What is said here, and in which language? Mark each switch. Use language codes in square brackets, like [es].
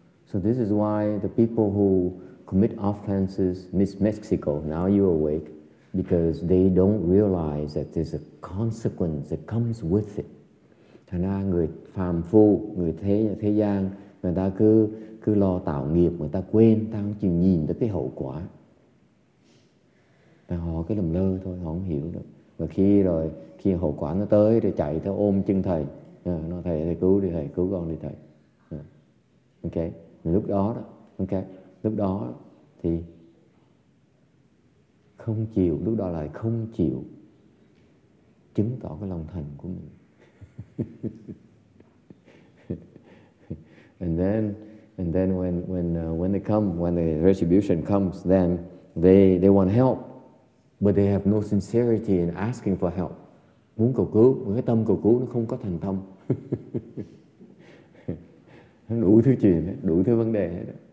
[en] So this is why the people who commit offenses, Miss Mexico, now you're awake, because they don't realize that there's a consequence that comes with it. [vi] Thành ra người phàm phu, người thế gian, người ta cứ lo tạo nghiệp, người ta quên, ta không chịu nhìn được cái hậu quả. Và họ cứ lầm lơ thôi, họ không hiểu được. Và khi hậu quả nó tới, thì chạy theo ôm chân thầy. Nói thầy cứu đi, thầy cứu con đi thầy. Ok, lúc đó đó, ok. Lúc đó thì không chịu, lúc đó lại không chịu chứng tỏ cái lòng thành của mình. [en] and then when they come, when the retribution comes, then they want help, but they have no sincerity in asking for help. [vi] Muốn cầu cứu, một cái tâm cầu cứu nó không có thành tâm. Đủ thứ chuyện, đủ thứ vấn đề hết.